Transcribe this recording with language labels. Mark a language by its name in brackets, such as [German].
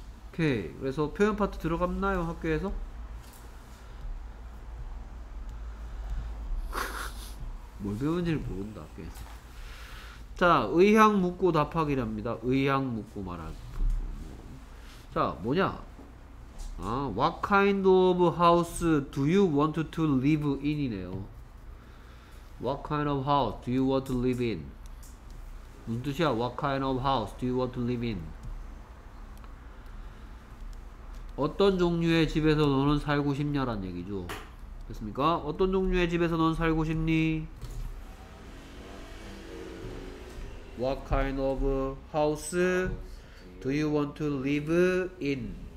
[Korean] 오케이. 그래서 표현 파트 들어갔나요? 학교에서? 뭘 배우는지를 모른다. 학교에서. 자, 의향 묻고 답하기랍니다. 의향 묻고 말하기. 자, 뭐냐? [English] 아, what kind of house do you want to live in? [Korean] 이네요. [English] What kind of house do you want to live in? [Korean] 무슨 뜻이야? [English] What kind of house do you want to live in? [Korean] 어떤 종류의 집에서 너는 살고 싶냐란 얘기죠. 됐습니까? 어떤 종류의 집에서 너는 살고 싶니? [English] What kind of house do you want to live in?